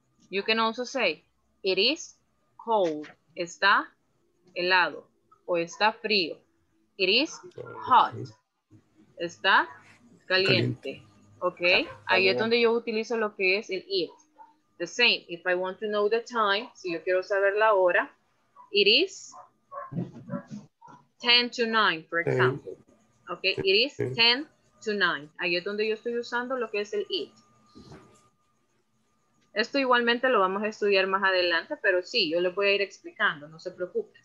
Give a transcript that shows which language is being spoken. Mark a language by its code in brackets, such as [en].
[en] You can also say, it is cold. [es] Está helado. O está frío. [en] It is hot. [es] Está caliente. [en] Okay. [es] Ahí es donde yo utilizo lo que es el it. [en] The same. If I want to know the time, [es] si yo quiero saber la hora, [en] it is 10 to 9, for example. Okay. It is 10 to 9. [es] Ahí es donde yo estoy usando lo que es el it. Esto igualmente lo vamos a estudiar más adelante, pero sí, yo les voy a ir explicando, no se preocupen.